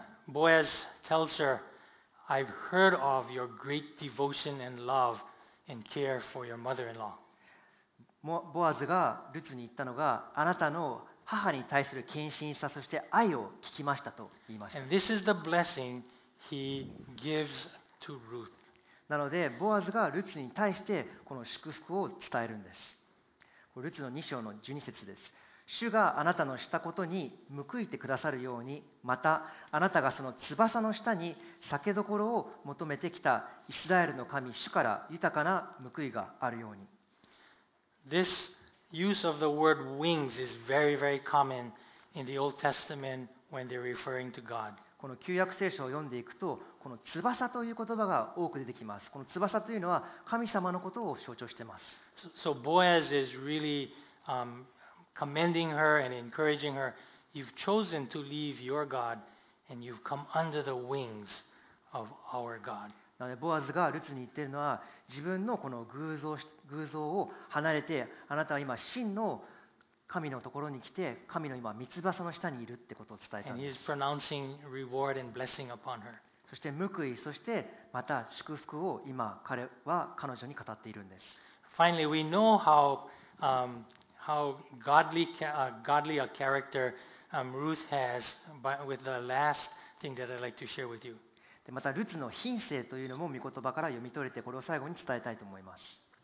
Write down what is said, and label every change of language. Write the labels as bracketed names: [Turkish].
[English] Boaz tells her, "I've heard of your great devotion and love and care for your mother-in-law." [Japanese] ボアズがルツに言ったのが、あなたの母に対する献身さ、そして愛を聞きましたと言いました。 [English] And this is the blessing he gives to Ruth. [Japanese] なのでボアズがルツに対してこの祝福を伝えるんです。ルツの2章の12節です。主があなたのしたことに報いてくださるように、またあなたがその翼の下に酒どころを求めてきたイスラエルの神主から豊かな報いがあるように。 [English] This use of the word wings is very very common in the Old Testament when they're referring to God. [Japanese] この旧約聖書を読んでいくと、この翼という言葉が多く出てきます。この翼というのは神様のことを象徴しています。 [English] So Boaz is really commending her and encouraging her. You've chosen to leave your God and you've come under the wings of our God. [Japanese] なのでボアズがルツに言っているのは、自分のこの偶像を離れて、あなたは今真の神のところに来て、神の今三つ翼の下にいるってことを伝えたんです。 [English] And he is pronouncing reward and blessing upon her. [Japanese] そして報い、そしてまた祝福を今彼は彼女に語っているんです。 [English] Finally, we know how godly a character Ruth has with the last thing that I'd like to share with you. [Japanese] でまたルツの品性というのも御言葉から読み取れて、これを最後に伝えたいと思います。